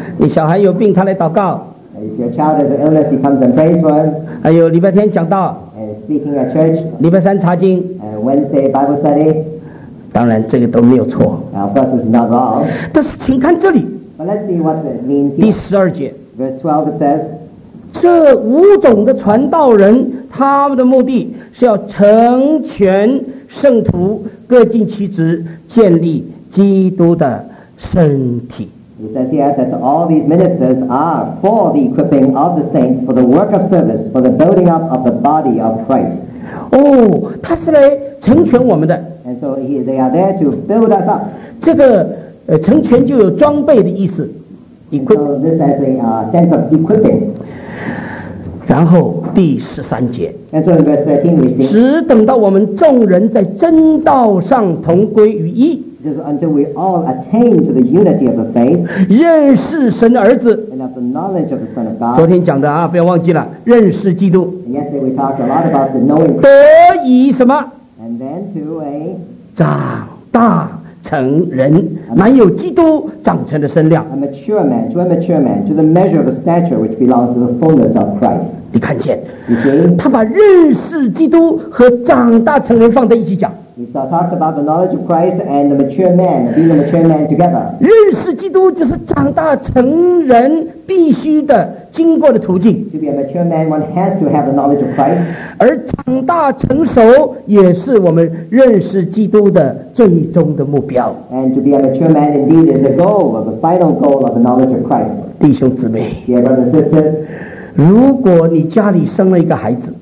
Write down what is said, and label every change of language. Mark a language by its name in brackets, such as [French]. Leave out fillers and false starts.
[Chinese] 你小孩有病，他来祷告。 [English] If your child has an illness, he comes and prays for him. [Chinese] 还有礼拜天讲道。 [English] Speaking at church. [Chinese] 礼拜三查经。 [English] Wednesday Bible study. [Chinese] 当然，这个都没有错。 [English] Of course, it's not wrong. [Chinese] 但是，请看这里。 [English] But let's see what it means here. [Chinese] 第十二节。 [English] Verse 12 it says, [Chinese] 这五种的传道人，他们的目的是要成全圣徒，各尽其职，建立基督的身体。 [English] He says here that all these ministers are for the equipping of the saints, for the work of service, for the building up of the body of Christ. [Chinese] Oh, 他是来成全我们的。 [English] And so they are there to build us up. [Chinese] 这个成全就有装备的意思。 [English] Equip. So this has a sense of equipping. [Chinese] 然后第十三节。 [English] And so in verse 13 we see. [Chinese] 只等到我们众人在真道上同归于一。 [English] Just until we all attain to the unity of the faith, [Chinese] 认识神的儿子。 [English] And of the knowledge of the Son of God. [Chinese] 昨天讲的啊，不要忘记了，认识基督。 [English] And yesterday we talked a lot about the knowing. [Chinese] 得以什么？ [English] And then to a [Chinese] 长大成人，满有基督长成的身量。 [English] A mature man, to a mature man, to the measure of a stature which belongs to the fullness of Christ. [Chinese] 你看见？ [English] You see? [Chinese] 他把认识基督和长大成人放在一起讲。 [English] He talks about the knowledge of Christ and the mature man, being a mature man together. [Chinese] 认识基督就是长大成人必须的经过的途径。 [English] To be a mature man, one has to have the knowledge of Christ. [Chinese] 而长大成熟也是我们认识基督的最终的目标。 [English] And to be a mature man indeed is the goal, of the final goal of the knowledge of Christ. [Chinese] 弟兄姊妹。 [English] Dear brothers and sisters. [Chinese] 如果你家里生了一个孩子。